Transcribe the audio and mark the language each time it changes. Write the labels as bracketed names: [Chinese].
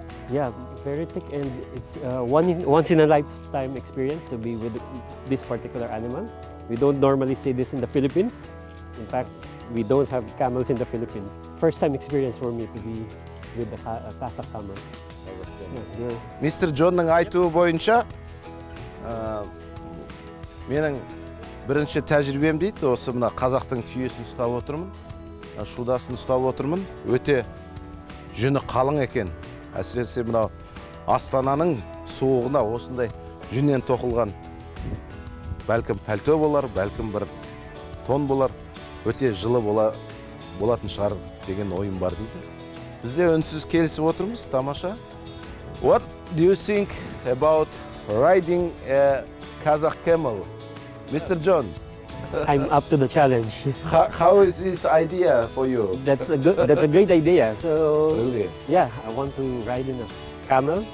[English] Yeah, very thick, and it's once in a lifetime experience to be with this particular animal. We don't normally see this in the Philippines. In fact, we don't have camels in the Philippines. First time experience for me to be with the Kasa camel. [Kazakh] Мистер Джонның айтуы бойынша, менің бірінші тәжірибем дейді, осы мына қазақтың түйесін ұстап отырмын, шудасын ұстап отырмын, өте жүні қалың екен. Әсіресе мынау Астананың суығына осындай жүннен тоқылған, бәлкім пальто болар, бәлкім бір тон болар, өте жылы болатын шығар деген ойым бар дейді. Бізде үнсіз келісіп отырмыз, тамаша. [English] What do you think about riding a Kazakh camel, Mr. John? I'm up to the challenge. How is this idea for you? That's a great idea. So really? Yeah, I want to ride in a camel.